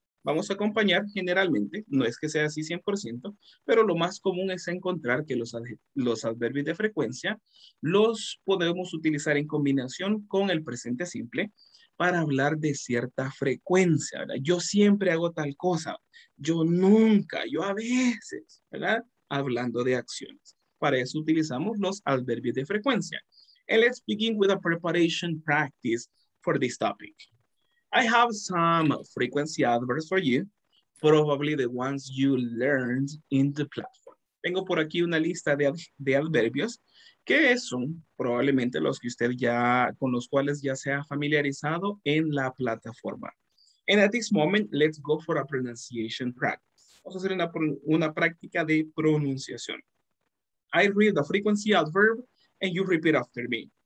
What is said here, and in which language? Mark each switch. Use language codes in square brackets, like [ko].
[es] Vamos a acompañar generalmente, no es que sea así 100%, pero lo más común es encontrar que los adverbios de frecuencia los podemos utilizar en combinación con el presente simple para hablar de cierta frecuencia, ¿verdad? Yo siempre hago tal cosa, yo nunca, yo a veces, ¿verdad? Hablando de acciones. Para eso utilizamos los adverbios de frecuencia. [en] And let's begin with a preparation practice for this topic. I have some frequency adverbs for you, probably the ones you learned in the platform. [es] Tengo por aquí una lista de adverbios que son probablemente los que usted ya, con los cuales ya se ha familiarizado en la plataforma. [en] And at this moment, let's go for a pronunciation practice. [es] Vamos a hacer una práctica de pronunciación. [en] I read the frequency adverb and you repeat after me.